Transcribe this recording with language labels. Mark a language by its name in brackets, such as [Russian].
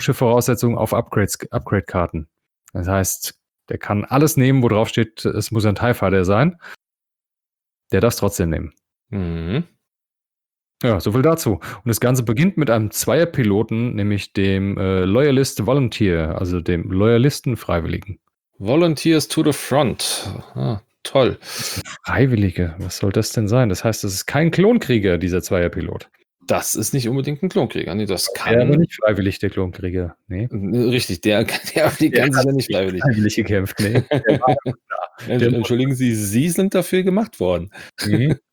[German] Schiffvoraussetzung auf Upgrade-Karten. Das heißt, der kann alles nehmen, wo drauf steht, es muss ein TIE Fighter sein. Der darf es trotzdem nehmen. Ja, so viel dazu. Und das Ganze beginnt mit einem Zweierpiloten, nämlich dem Loyalist Volunteer, also dem Loyalisten-Freiwilligen. [English] Volunteers to the front. [German] Ah, toll. Freiwillige, was soll das denn sein? Das heißt, das ist kein Klonkrieger, dieser Zweierpilot. Das ist nicht unbedingt ein Klonkrieger. Nee, das kann. Der war nicht freiwillig, der Klonkrieger. Nee. Richtig, der auf die ganze Zeit nicht freiwillig. Freiwillig gekämpft, nee. Entschuldigen Sie, Sie sind dafür gemacht worden. Genau.